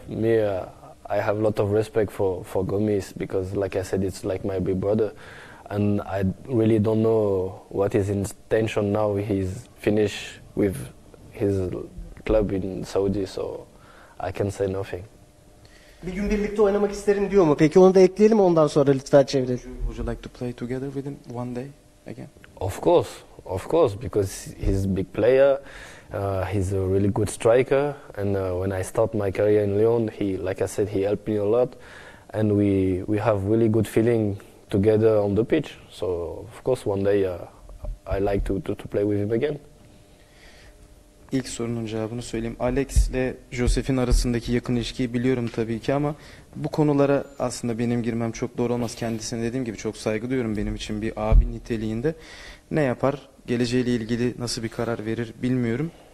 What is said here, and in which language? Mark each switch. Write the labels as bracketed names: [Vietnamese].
[English] Me, I have a lot of respect for Gomez because, like I said, it's like my big brother, and I really don't know what his intention now. He's finished with his club in Saudi, so I can say nothing. [Turkish] Bir gün birlikte oynamak isterim diyor mu? Peki onu da ekleyelim, ondan sonra lütfen çevirelim. [English] Would you like to play together with him one day again? Of course, Of course, because he's a big player, he's a really good striker, and when I start my career in Lyon, he, like I said, he helped me a lot, and we have really good feeling together on the pitch. So of course, one day I like to play with him again. [Turkish] İlk sorunun cevabını söyleyeyim. Alex ile Josef'in arasındaki yakın ilişkiyi biliyorum tabii ki ama bu konulara aslında benim girmem çok doğru olmaz. Kendisine dediğim gibi çok saygı duyuyorum, benim için bir abi niteliğinde. Ne yapar, geleceğiyle ilgili nasıl bir karar verir bilmiyorum.